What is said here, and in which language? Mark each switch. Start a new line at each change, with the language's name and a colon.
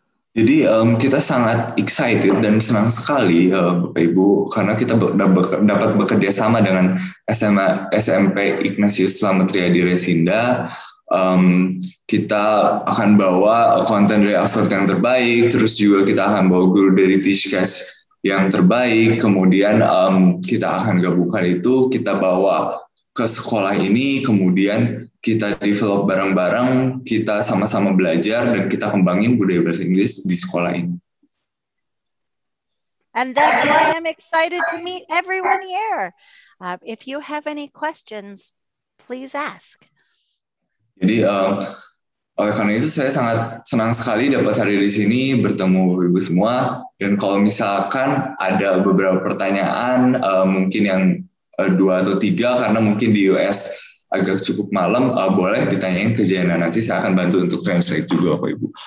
Indonesian: Jadi kita sangat excited dan senang sekali Bapak Ibu karena kita dapat bekerja sama dengan SMP Ignatius Slamet Riyadi Resinda. Kita akan bawa konten dari Oxford yang terbaik, terus juga kita akan bawa guru dari TeachCast yang terbaik, kemudian kita akan gabungkan itu, kita bawa ke sekolah ini, kemudian kita develop bareng-bareng, kita sama-sama belajar, dan kita kembangin budaya bahasa Inggris di sekolah ini.
English: And that's why I'm excited to meet everyone here. If you have any questions, please ask.
Indonesian: Jadi, oleh karena itu saya sangat senang sekali dapat hadir di sini, bertemu ibu semua, dan kalau misalkan ada beberapa pertanyaan, mungkin yang dua atau tiga, karena mungkin di US agak cukup malam, boleh ditanyain ke Jana, nanti saya akan bantu untuk translate juga, Bapak Ibu.